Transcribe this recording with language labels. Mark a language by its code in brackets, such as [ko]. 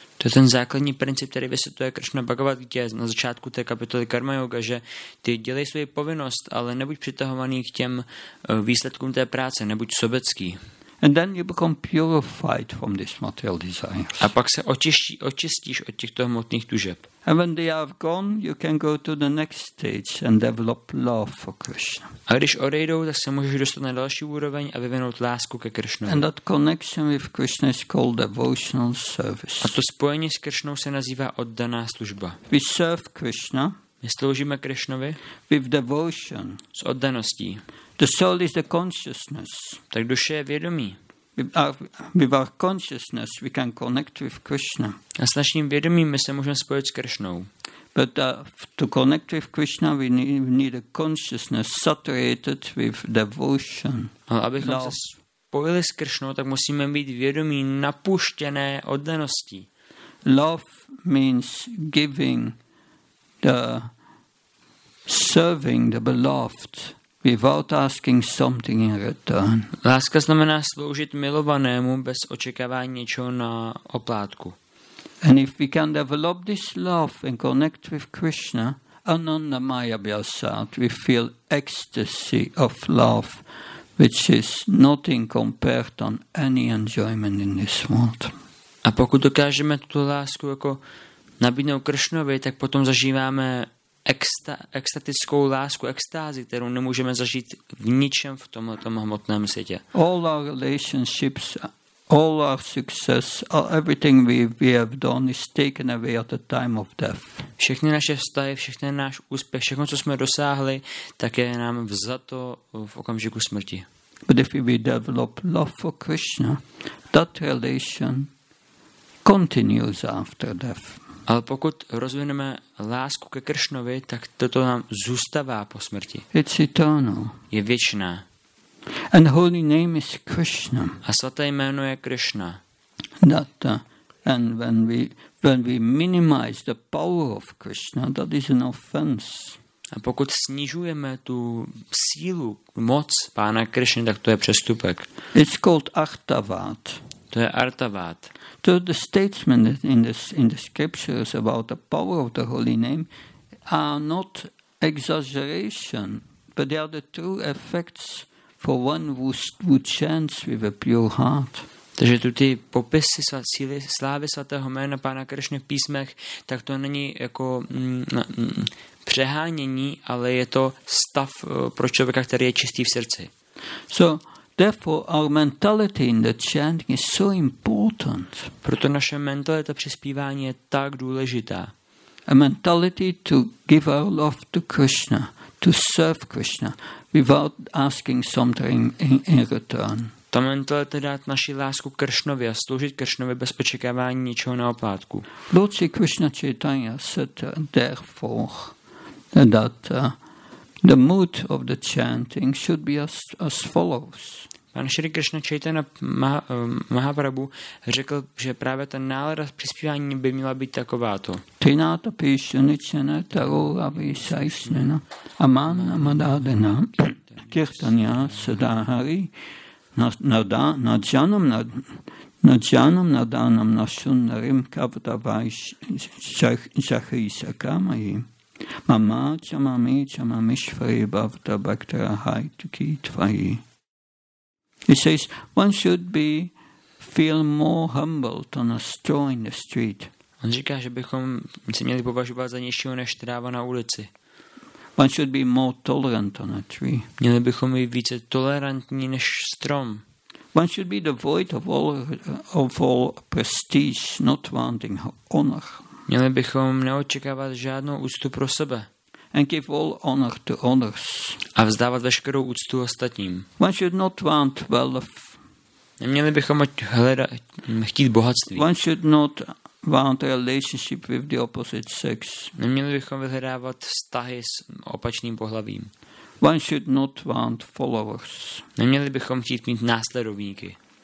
[cs] To je ten základní princip, který vysvětluje Krishna Bhagavad Gita na začátku té kapitoly Karma Yoga, že ty dělej svoji povinnost, ale nebuď přitahovaný k těm výsledkům té práce, nebuď sobecký. [en] And then you become purified from these material desires. [cs] A pak se očistíš od těchto hmotných tužeb. [en] And when they have gone, you can go to the next stage and develop love for Krishna. [cs] A když odejdou, tak se můžeš dostat na další úroveň a vyvinout lásku ke Krishnovi. [en] And that connection with Krishna is called devotional service. [cs] A to spojení s Krishnou se nazývá oddaná služba. [en] We serve Krishna. [cs] My sloužíme Krishnovi. [en] With devotion. [cs] S oddaností. [en] The soul is the consciousness. [cs] Tak duše je vědomí. [en] With our consciousness we can connect with Krishna. [cs] A s naším vědomím my se můžeme spojit s Krishnou. [en] But to connect with Krishna we need a consciousness saturated with devotion. [cs] Ale abychom se spojili s Krishnou, tak musíme být vědomí napuštěné oddaností. [en] Love means giving the serving the beloved without asking something in return. [cs] Láska znamená sloužit milovanému bez očekávání něčeho na oplátku. [en] And if we can develop this love and connect with Krishna, [sa] Ananda Maya Vyasat, [en] we feel ecstasy of love, which is nothing compared on any enjoyment in this world. [cs] A pokud dokážeme tuto lásku jako nabídnout Kršnovi, tak potom zažíváme extatickou lásku, extázi, kterou nemůžeme zažít v ničem v tomto hmotném světě. [en] All our relationships, all our success, all everything we have done is taken away at the time of death. [cs] Všechny naše vztahy, všechny náš úspěch, všechno, co jsme dosáhli, tak je nám vzato v okamžiku smrti. [en] But if we develop love for Krishna, that relation continues after death. [cs] Ale pokud rozvineme lásku ke Kršnovi, tak toto nám zůstává po smrti. [en] It's eternal. [cs] Je věčná. [en] And holy name is Krishna. [cs] A svaté jméno je Krishna. [en] That, and when we minimize the power of Krishna, that is an offense. [cs] A pokud snižujeme tu sílu, moc pána Krishna, tak to je přestupek. [en] It's called Artavat. [cs] To je Artavat. [en] So the statement in the scriptures about the power of the holy name are not exaggeration, but they are the true effects for one who chants with a pure heart. [cs] Takže tu ty popisy síly slávy svatého jména pána Kršny v písmech, tak to není jako přehánění, ale je to stav pro člověka, který je čistý v srdci. [en] So therefore our mentality in the chanting is so important. [cs] Proto naše mentalita při zpívání je tak důležitá. [en] A mentality to give our love to Krishna, to serve Krishna without asking something in return. [cs] Ta mentalita dát naši lásku Kršnovi a sloužit Kršnovi bez očekávání ničeho na oplátku. [en] Lord Sri Krishna Chaitanya said therefore that the mood of the chanting should be as follows. [cs] Pan Shri Krishna Chaitanya Mahaprabhu řekl, že právě ta nálada při zpívání by měla být takováto. [sa] Trinata Pishunichana Tarura Vishaisnana Amana Madadena Kirtanya Sadahari Nadjanam Nadanam Nasunarim Kavdavai Shahisakamayi Mama chamami chamami shvari bhavta bhaktara hai tuki tvayi. [en] He says, one should be feel more humbled on a straw in the street. [cs] On říká, že bychom se měli považovat za nižšího než tráva na ulici. [en] One should be more tolerant on a tree. [cs] Měli bychom být více tolerantní než strom. [en] One should be devoid of all prestige, not wanting honor. [cs] Měli bychom neočekávat žádnou úctu pro sebe. [en] And give all honor to others. [cs] A vzdávat veškerou úctu ostatním. [en] One should not want wealth. [cs] Neměli bychom chtít bohatství. [en] One should not want a relationship with the opposite sex. [cs] Neměli bychom vyhledávat vztahy s opačným pohlavím. [en] One should not want followers. [cs] Neměli bychom chtít mít následovníky.